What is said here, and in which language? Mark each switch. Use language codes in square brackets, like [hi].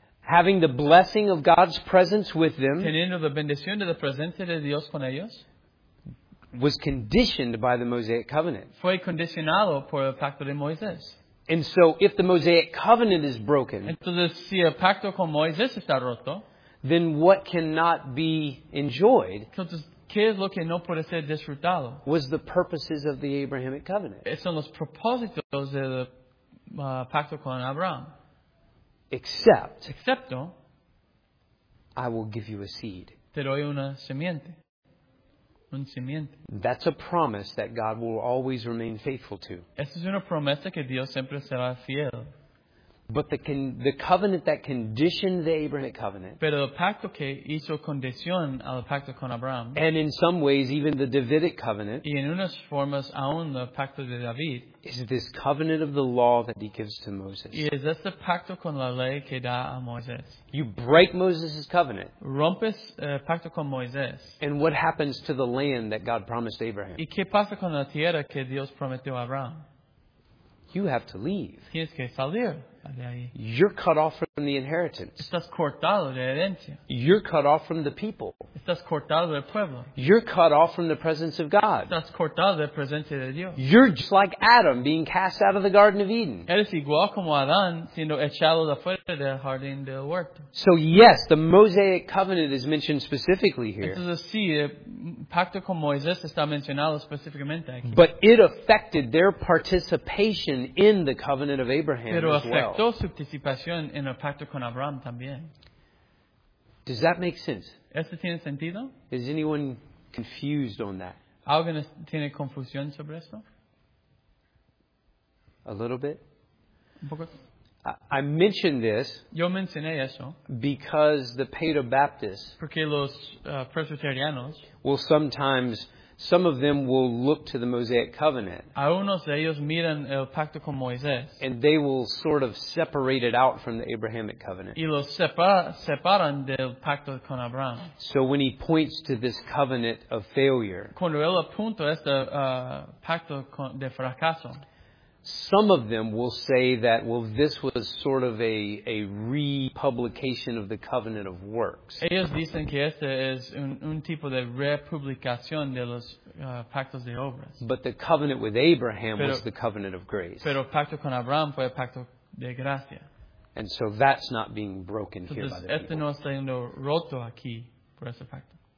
[en] having the blessing of God's presence with them, [es] teniendo la bendición de la presencia de Dios con ellos, [en] was conditioned by the Mosaic Covenant. [es] Fue condicionado por el pacto de Moisés. [en] And so if the Mosaic Covenant is broken, [es] entonces, si el pacto con Moisés está roto, [en] then what cannot be enjoyed, [es] entonces, ¿qué es lo que no puede ser disfrutado? [en] Was the purposes of the Abrahamic Covenant. [es] Son los propósitos del pacto con Abraham. Excepto, [en] I will give you a seed. [es] Te doy una semiente. Un simiente. [en] That's a promise that God will always remain faithful to. [es] Esa es una promesa que Dios siempre será fiel. [en] But the covenant that conditioned the Abrahamic covenant. [es] Pero el pacto que hizo condición al pacto con Abraham. [en] And in some ways, even the Davidic covenant. [es] Y en unas formas aún el pacto de David. [en] Is this covenant of the law that he gives to Moses? [es] Y es este pacto con la ley que da a Moisés. [en] You break Moses' covenant. [es] Rompes el pacto con Moisés. [en] And what happens to the land that God promised Abraham? [es] Y qué pasa con la tierra que Dios prometió a Abraham? [en] You have to leave. [es] Tienes que salir. [en] You're cut off from the inheritance. [es] Estás cortado de herencia. [en] You're cut off from the people. [es] Estás cortado del pueblo. [en] You're cut off from the presence of God. [es] Estás cortado de la presencia de Dios. [en] You're just like Adam being cast out of the Garden of Eden. [es] Eres igual como Adán siendo echado de fuera del jardín del huerto. [en] So yes, the Mosaic Covenant is mentioned specifically here. [es] Entonces sí, el pacto con Moisés está mencionado específicamente aquí. [en] But it affected their participation in the covenant of Abraham as well. [es] Afectó su participación en el pacto con Abraham también. [en] Does that make sense? [es] ¿Esto tiene sentido? [en] Is anyone confused on that? [es] ¿Alguien tiene confusión sobre esto? [en] A little bit. [es] Un poco. [en] I mentioned this. [es] Yo mencioné eso. [en] Because the Paedobaptists. [es] Porque los presbiterianos. [en] Will sometimes. Some of them will look to the Mosaic Covenant. [es] Algunos de ellos miran el pacto con Moisés. [en] And they will sort of separate it out from the Abrahamic Covenant. [es] Y los separan del pacto con Abraham. [en] So when he points to this covenant of failure. [es] Cuando él apunta este pacto de fracaso. [en] Some of them will say that, well, this was sort of a republication of the covenant of works. [es] Ellos dicen que este es un tipo de republicación de los pactos de obras. [en] But the covenant with Abraham was the covenant of grace. [es] Pero el pacto con Abraham fue el pacto de gracia. [en] And so that's not being broken here by the people. [es] Este no está siendo roto aquí por ese pacto.